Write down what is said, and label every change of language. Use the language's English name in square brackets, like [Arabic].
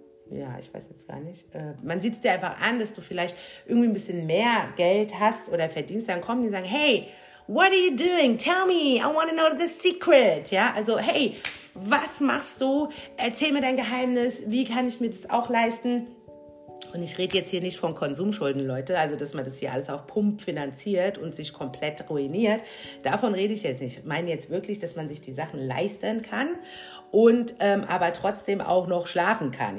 [German] Ja, ich weiß jetzt gar nicht. Man sieht es dir einfach an, dass du vielleicht irgendwie ein bisschen mehr Geld hast oder verdienst. Dann kommen die und sagen, hey, what are you doing? [English] Tell me, I want to know the secret. Ja, also hey, was machst du? [German] Erzähl mir dein Geheimnis. Wie kann ich mir das auch leisten? Und ich rede jetzt hier nicht von Konsumschulden, Leute. Also, dass man das hier alles auf Pump finanziert und sich komplett ruiniert. Davon rede ich jetzt nicht. Ich meine jetzt wirklich, dass man sich die Sachen leisten kann und aber trotzdem auch noch schlafen kann.